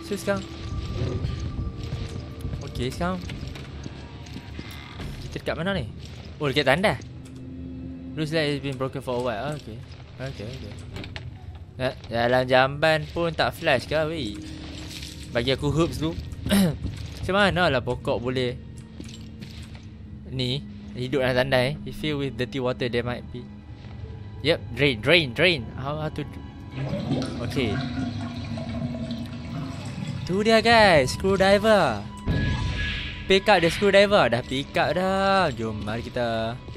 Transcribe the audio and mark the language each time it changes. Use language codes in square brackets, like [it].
[ms] So sekarang, okay sekarang kita dekat mana ni? Oh, dekat tanda. [en] Looks like it's been broken for a while. [ms] Okay. Dalam jamban pun tak flash ke, wey. Bagi aku herbs tu. Macam mana lah pokok boleh ni hidup dalam tanda eh? [en] If you with dirty water, there might be. Yep, drain. How to do? Okay. [ms] Tu dia [en] guys, screwdriver. Pick up the screwdriver. [ms] Dah pick up dah. Jom, mari kita.